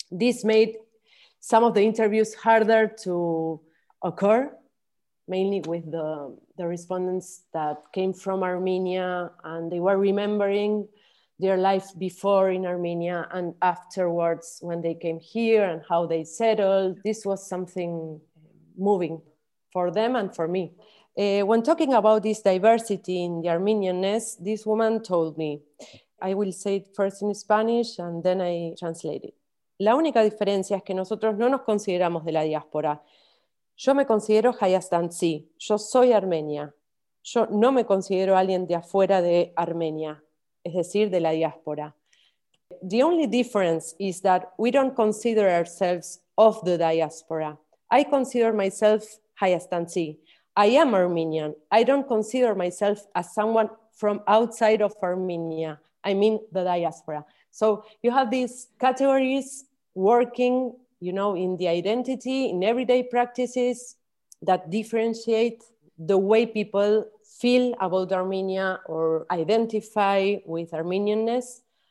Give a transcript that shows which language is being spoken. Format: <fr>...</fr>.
<en>This made some of the interviews harder to occur, mainly with the respondents that came from Armenia, and they were remembering their life before in Armenia and afterwards when they came here and how they settled. This was something moving for them and for me. When talking about this diversity in the Armenianness, this woman told me, I will say it first in Spanish and then I translate it.</en> <es>La única diferencia es que nosotros no nos consideramos de la diáspora. Yo me considero Hayastantzi. Yo soy armenia. Yo no me considero alguien de afuera de Armenia, es decir, de la diáspora.</es> <en>The only difference is that we don't consider ourselves of the diaspora. I consider myself Hayastantzi. I am Armenian. I don't consider myself as someone from outside of Armenia. I mean the diaspora. So you have these categories working, you know, in the identity, in everyday practices that differentiate the way people feel about Armenia or identify with Armenianness.</en>